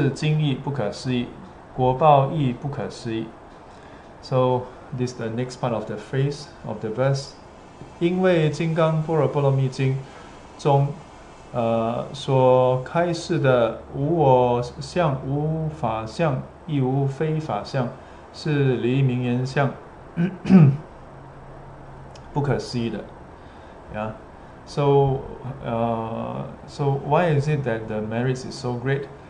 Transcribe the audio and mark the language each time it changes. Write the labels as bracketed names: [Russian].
[Chinese] 须菩提，当知是经义不可思议，果报亦不可思议. [English] So this is the next part of the phrase of the verse. [Chinese] 因为金刚般若波罗蜜经 中所开示的无我相、无法相、亦无非法相，是离名言相，不可思议的. [English] Yeah. So why is it that the merits is so great?